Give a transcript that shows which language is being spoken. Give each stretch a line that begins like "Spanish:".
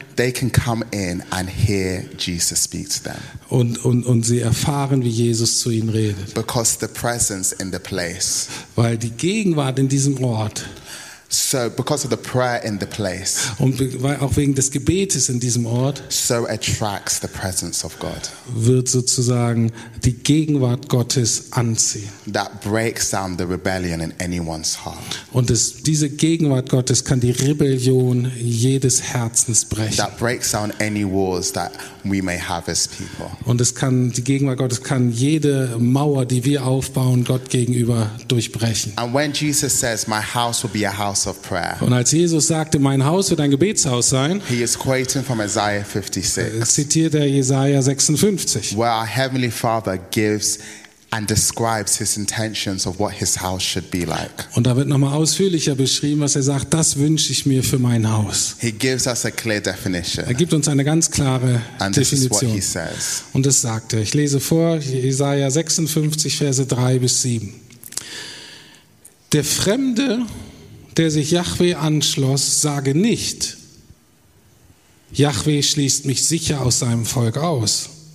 English: they can come in and hear Jesus speak to them.
German: Und sie erfahren, wie Jesus zu ihnen redet.
English: Because the presence in the place.
German: Weil die Gegenwart in diesem Ort.
English: So because of the prayer in the place.
German: Und weil auch wegen des Gebetes in diesem Ort.
English: So attracts the presence of God.
German: Wird sozusagen die Gegenwart Gottes anziehen.
English: That breaks down the rebellion in anyone's heart.
German: Und diese Gegenwart Gottes kann die Rebellion jedes Herzens brechen.
English: That breaks down any walls that we may have as people.
German: Und es kann die Gegenwart Gottes kann jede Mauer, die wir aufbauen, Gott gegenüber durchbrechen.
English: And when Jesus says, "My house will be a house."
German: Und als Jesus sagte, mein Haus wird ein Gebetshaus sein,
English: he is quoting from Isaiah 56,
German: zitiert er Jesaja 56,
English: where our Heavenly Father gives and describes his intentions of what his house should be like.
German: Und da wird nochmal ausführlicher beschrieben, was er sagt, das wünsche ich mir für mein Haus.
English: He gives us a clear definition.
German: Er gibt uns eine ganz klare
English: and
German: Definition.
English: This is what he says.
German: Und das sagte er. Ich lese vor, Jesaja 56, Verse 3 bis 7. Der Fremde, der sich Yahweh anschloss, sage nicht, Yahweh schließt mich sicher aus seinem Volk aus.